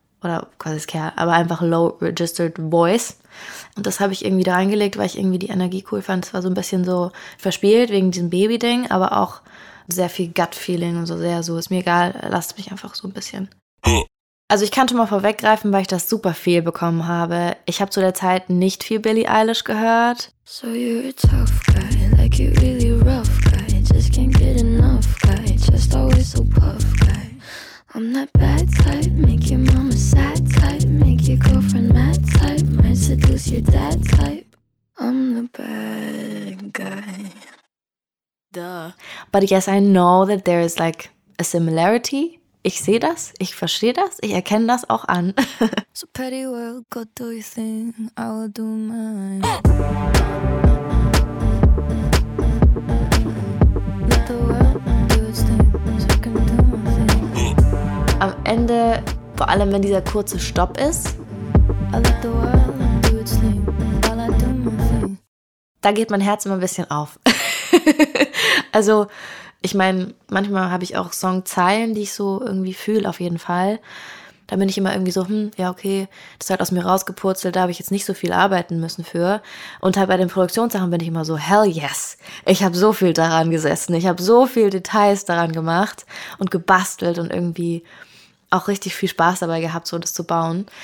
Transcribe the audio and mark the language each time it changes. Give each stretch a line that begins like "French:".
German: Oder quasi Kerl, aber einfach
English: low registered voice.
German: Und das habe ich irgendwie da reingelegt, weil ich irgendwie die Energie cool fand. Es war so ein bisschen so verspielt wegen diesem Baby-Ding, aber auch sehr viel Gut-Feeling und so sehr so, ist mir egal, lasst mich einfach so ein bisschen. Also ich kann schon mal vorweggreifen, weil ich das super viel bekommen habe. Ich habe zu der Zeit nicht viel Billie Eilish gehört.
English: So you're a tough guy, like you really rough guy, just can't get enough guy, just always so puff guy. I'm that bad type, make your mama sad type, make your girlfriend mad type, might seduce your dad type. I'm the bad guy. But yes, I know that there is like a similarity.
German: Ich sehe das, ich verstehe das, ich erkenne das auch an.
English: So petty world, go do your thing, I will do mine. Let the world do its thing, so I can do my thing.
German: Am Ende, vor allem wenn dieser kurze Stopp ist,
English: I let the world do its thing, while I do my thing.
German: Da geht mein Herz immer ein bisschen auf. Also, ich meine, manchmal habe ich auch Songzeilen, die ich so irgendwie fühle, auf jeden Fall. Da bin ich immer irgendwie so, ja, okay, das ist halt aus mir rausgepurzelt, da habe ich jetzt nicht so viel arbeiten müssen für. Und halt bei den Produktionssachen bin ich immer so,
English: hell yes,
German: ich habe so viel daran gesessen, ich habe so viel Details daran gemacht und gebastelt und irgendwie auch richtig viel Spaß dabei gehabt, so das zu bauen.